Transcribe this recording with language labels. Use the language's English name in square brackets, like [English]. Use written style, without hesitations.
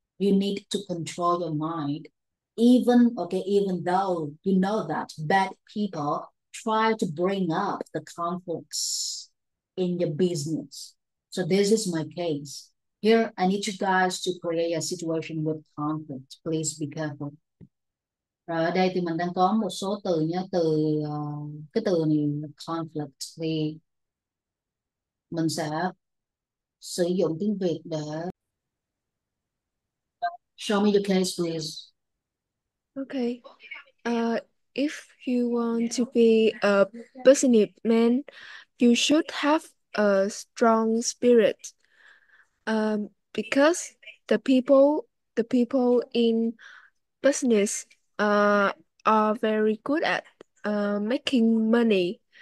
[English] You need to control your mind. Even though you know that bad people try to bring up the conflicts in your business. So this is my case. Here, I need you guys to create a situation with conflict. Please be careful. [Vietnamese] Rồi ở đây thì mình đang có một số từ nha, từ cái từ này conflict, thì mình sẽ sử dụng tiếng Việt để [English] show me the case please. Okay. If you want to be a business man, you should have a strong spirit. Because the people in business are very good at making money.